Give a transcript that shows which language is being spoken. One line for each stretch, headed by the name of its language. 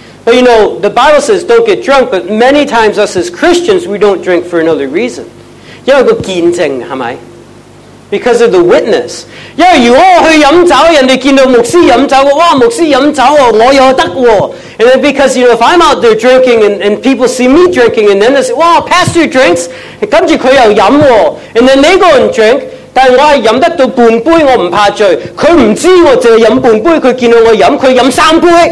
English: But you know, the Bible says don't get drunk, but many times us as Christians, we don't drink for another reason.
Cantonese: 因為個見證係咪？
English: Because of the witness.
Cantonese: 因為如果我去飲酒，人哋見到牧師飲酒，哇，牧師飲酒，我又得喎。
English: And then because, you know, if I'm out there drinking and people see me drinking, and then they say, wow, pastor drinks,
Cantonese: 跟住佢又飲喎。
English: And then they go and drink.
Cantonese: 但我係飲得到半杯，我唔怕醉。佢唔知我淨係飲半杯，佢見到我飲，佢飲三杯。